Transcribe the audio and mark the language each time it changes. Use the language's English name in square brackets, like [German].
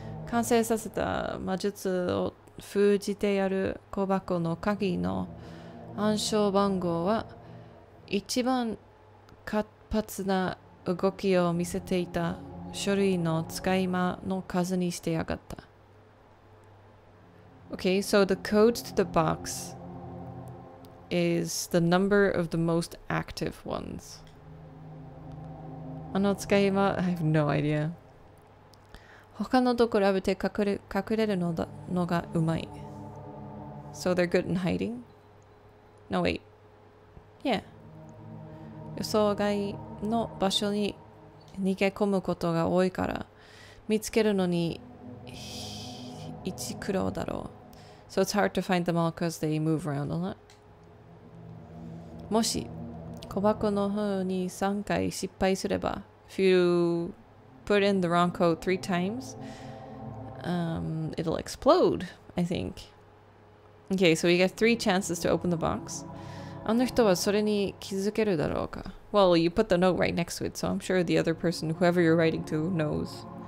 [Japanese] 完成させた魔術を封じてやる小箱の鍵の暗証番号は一番活発な動きを見せていた書類の使い魔の数にしてやがった。 [English] Okay, so the code to the box... is the number of the most active ones. [Japanese] あの使い魔、 [English] I have no idea. [Japanese] 他のと比べて隠れるのがうまい。 [English] So they're good in hiding? No, wait. Yeah. [Japanese] 予想外の場所に逃げ込むことが多いから、見つけるのに一苦労だろう。 [English] So it's hard to find them all because they move around a lot. [Japanese] もし小箱の方に3回失敗すれば、 [English] If you put in the wrong code 3 times, it'll explode, I think. Okay, so you get 3 chances to open the box. [Japanese] あの人はそれに気づけるだろうか? [English] Well, you put the note right next to it, so I'm sure the other person, whoever you're writing to, knows.